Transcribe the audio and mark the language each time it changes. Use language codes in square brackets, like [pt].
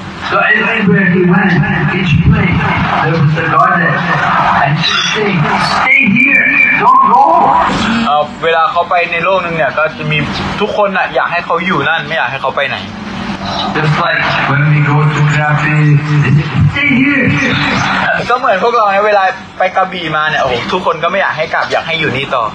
[en] So everywhere he went, each place, there was a goddess. And she said, stay here, don't go. [th] เวลาเขาไปในโลกนึงเนี่ยก็จะมีทุกคนน่ะอยากให้เขาอยู่นั่นไม่อยากให้เขาไปไหน [en] Just like when we go to Krabi, stay here. [th] ก็เหมือนพวกเราเวลาไปกระบี่มาเนี่ยโอ้โหทุกคนก็ไม่อยากให้กลับอยากให้อยู่นี่ต่อ